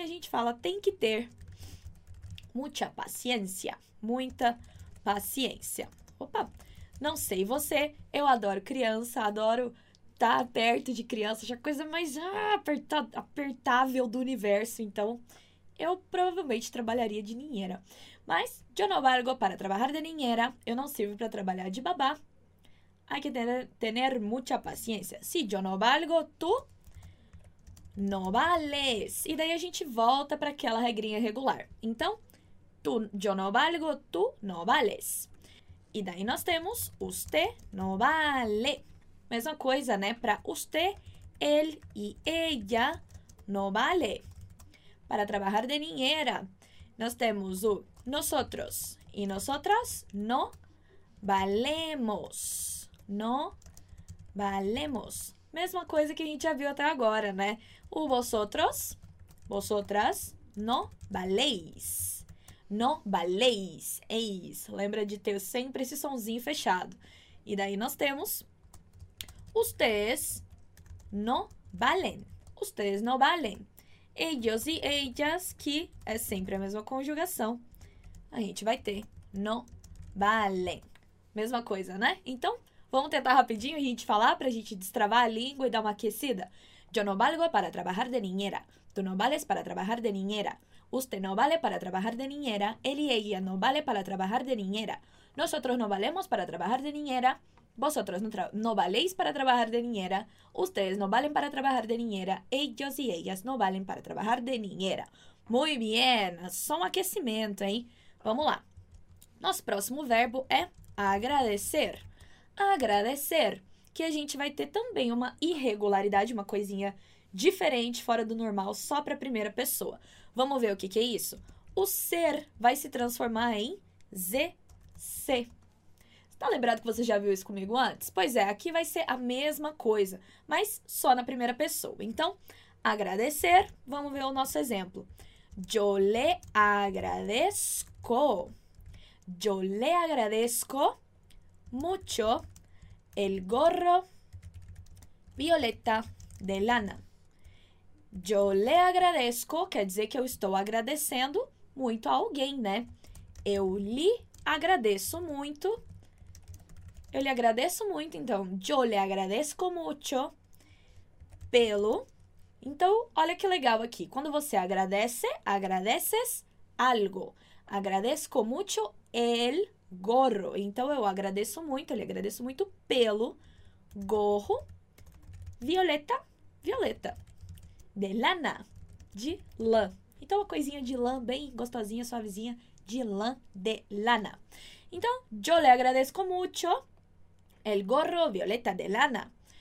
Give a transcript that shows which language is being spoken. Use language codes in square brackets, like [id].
[pt] A gente fala tem que ter mucha paciência. Muita paciência. Opa! Não sei você, eu adoro criança, adoro estar perto de criança. Acho a coisa mais apertável do universo. Então, eu provavelmente trabalharia de niñera. [es] Mas, yo no valgo para trabajar de niñera. [pt] Eu não sirvo para trabalhar de babá. [es] Hay que tener mucha paciencia. Si yo no valgo, tú no vales. [pt] E daí a gente volta para aquela regrinha regular. Então, [es] tú, yo no valgo, tú no vales. [pt] E daí nós temos [es] usted no vale. [pt] Mesma coisa, né? [es] Para usted, él y ella no vale. Para trabajar de niñera, [pt] nós temos o [es] nosotros y nosotras no valemos. No valemos. [pt] Mesma coisa que a gente já viu até agora, né? [es] O vosotros, vosotras, no valéis. No valéis. Eis. [pt] Lembra de ter sempre esse sonzinho fechado. E daí nós temos [es] ustedes no valen. Ustedes no valen. Ellos y ellas, [pt] que é sempre a mesma conjugação, a gente vai ter [es] no valen. [pt] Mesma coisa, né? Então, vamos tentar rapidinho a gente falar pra gente destravar a língua e dar uma aquecida. [es] Yo no valgo para trabajar de niñera. Tú no vales para trabajar de niñera. Usted no vale para trabajar de niñera. Él y ella no vale para trabajar de niñera. Nosotros no valemos para trabajar de niñera. Vosotros no valéis para trabajar de niñera. Ustedes no valen para trabajar de niñera. Ellos y ellas no valen para trabajar de niñera. Muy bien. [pt] Só um aquecimento, hein? Vamos lá. Nosso próximo verbo é agradecer. Agradecer. Que a gente vai ter também uma irregularidade, uma coisinha diferente, fora do normal, só para a primeira pessoa. Vamos ver o que que é isso? O ser vai se transformar em ZC. Tá lembrado que você já viu isso comigo antes? Pois é, aqui vai ser a mesma coisa, mas só na primeira pessoa. Então, agradecer, vamos ver o nosso exemplo. [es] Yo le agradezco. Yo le agradezco mucho el gorro violeta de lana. Yo le agradezco [pt] quer dizer que eu estou agradecendo muito a alguém, né? Eu lhe agradeço muito. Eu lhe agradeço muito, então. [es] Yo le agradezco mucho pelo. [pt] Então, olha que legal aqui. Quando você agradece, agradeces algo. [es] Agradezco mucho el gorro. [pt] Então, eu agradeço muito, eu lhe agradeço muito pelo gorro violeta, violeta. De lana, de lã. Então, uma coisinha de lã bem gostosinha, suavezinha, de lã, de lana. [es] Então, yo le agradezco mucho el gorro violeta de lana.